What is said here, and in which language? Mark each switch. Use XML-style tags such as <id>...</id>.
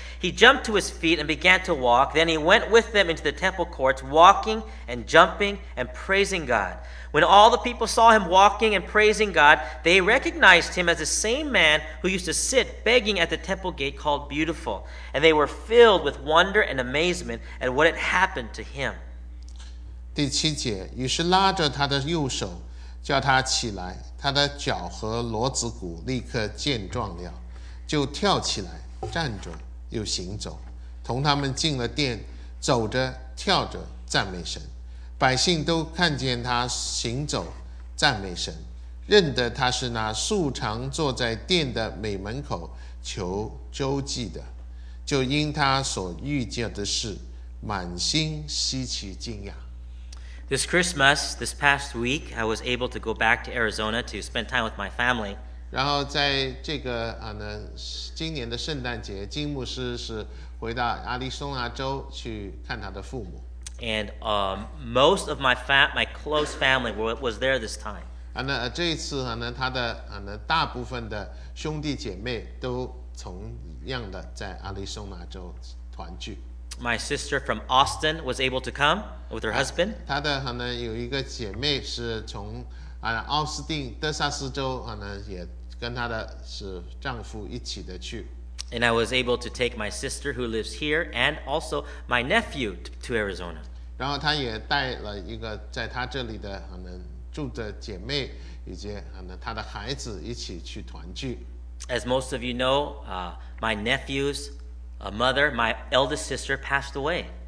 <en>He jumped to his feet and began to walk. Then he went with them into the temple courts, walking and jumping and praising God. When all the people saw him walking and praising God, they recognized him as the same man who used to sit begging at the temple gate called Beautiful. And they were filled with wonder and amazement at what had happened to him.</en> <zh>第七节，于是拉着他的右手，叫他起来，他的脚和骡子骨立刻健壮了，就跳起来，站着，又行走，同他们进了殿，走着，跳着，赞美神。百姓都看见他行走，赞美神，认得他是那素常坐在殿的美门口求周济的，就因他所遇见的事，满心稀奇惊讶。</zh> <en>This Christmas, this past week, I was able to go back to Arizona to spend time with my family.</en> <zh>然后在这个呢，今年的圣诞节，金牧师是回到亚利桑那州去看他的父母。</zh> <en>And most of my close family was there this time.</en> <zh>这一次呢，他的大部分的兄弟姐妹都同样的在亚利桑那州团聚。</zh> <en>My sister from Austin was able to come with her husband.</en> <zh>她的有一个姐妹是从奥斯汀德萨斯州也跟她的丈夫一起的去。</zh> <en>And I was able to take my sister who lives here and also my nephew to Arizona.</en> <zh>然后她也带了一个在她这里的住的姐妹以及她的孩子一起去团聚。</zh> <en>As most of you know, my nephew's A mother, my eldest sister, passed away.</en>